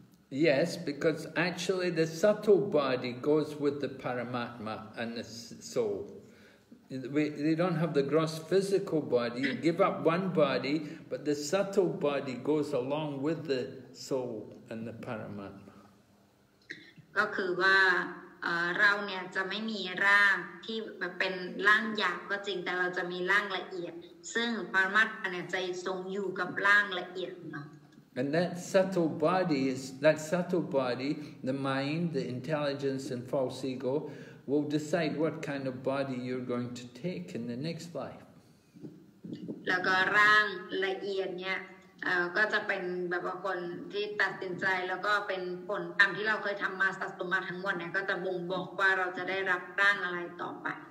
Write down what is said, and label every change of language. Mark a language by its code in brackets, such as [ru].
[en] Yes, because actually the subtle body goes with the Paramatma and the soul. They don't have the gross physical body. You give up one body, but the subtle body goes along with the soul and the Paramatma. [th] ก็คือว่า เราเนี่ยจะไม่มีร่างที่เป็นร่างหยาบก็จริงแต่เราจะมีร่างละเอียดซึ่งปรมัตถ์เนี่ยจะทรงอยู่กับร่างละเอียดเนาะ [en] And that subtle body is that subtle body, the mind, the intelligence, and false ego will decide what kind of body you're going to take in the next life. [th] แล้วก็ร่างละเอียดเนี่ยก็จะเป็นแบบว่าคนที่ตัดสินใจแล้วก็เป็นผลกรรมที่เราเคยทำมาสะสมมาทั้งหมดเนี่ยก็จะบ่งบอกว่าเราจะได้รับร่างอะไรต่อไป